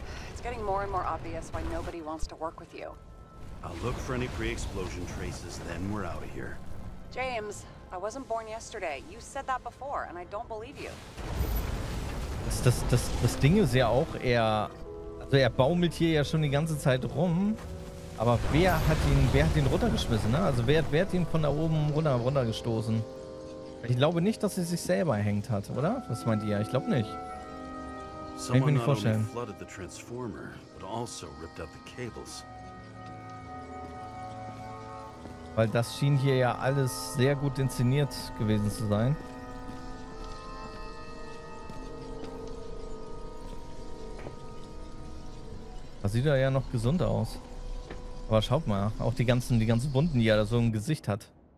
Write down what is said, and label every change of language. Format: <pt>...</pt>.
<en>It's getting more and more obvious why nobody wants to work with you. I'll look for any pre-explosion traces, then we're out of here. James, I wasn't born yesterday. You said that before, and I don't believe you.</en> <de>Das Ding ist ja auch, er baumelt hier ja schon die ganze Zeit rum. Aber wer hat ihn runtergeschmissen, ne? Also wer hat ihn von da oben runter gestoßen? Ich glaube nicht, dass sie sich selber erhängt hat, oder? Was meint ihr? Ich glaube nicht. Kann ich mir nicht vorstellen.</de> <en>Someone flooded the transformer, but also ripped out the cables.</en> <de>Weil das schien hier ja alles sehr gut inszeniert gewesen zu sein. Das sieht ja noch gesund aus. Aber schaut mal, auch die ganzen Wunden, die er da so im Gesicht hat.</de>